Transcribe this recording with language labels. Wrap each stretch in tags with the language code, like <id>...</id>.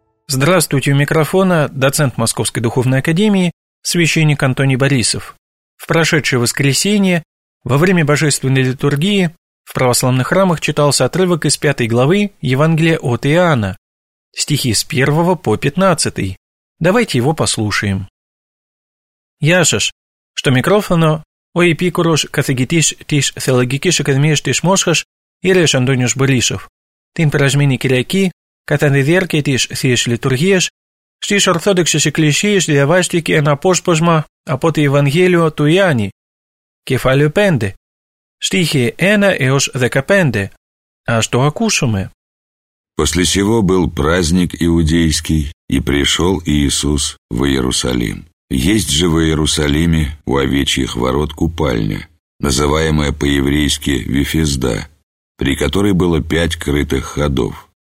<ru>Здравствуйте, у микрофона доцент Московской духовной академии священник Антоний Борисов. В прошедшее воскресенье во время божественной литургии в православных храмах читался отрывок из 5 главы Евангелия от Иоанна, стихи с 1 по 15. Давайте его послушаем. Яшаш, что микрофоно,</ru> <el>ο επίκουρος καθηγητής της Θεολογικής Ακαδημίας της Μόσχας, Ιερέας Αντώνιος Μπορίσοφ. Την περασμένη Κυριακή, κατά τη διάρκεια της Θείας Λειτουργίας, στις Ορθόδοξες Εκκλησίες διαβάστηκε ένα απόσπασμα από το Ευαγγέλιο του Ιάννη, κεφάλαιο 5, στίχοι 1 έως 15. Ας το ακούσουμε.</el> <ru>После сего был праздник иудейский, и пришел Иисус в Иерусалим. Есть же в Иерусалиме у овечьих ворот купальня, называемая по-еврейски Вифезда, при которой было 5 крытых ходов.</ru>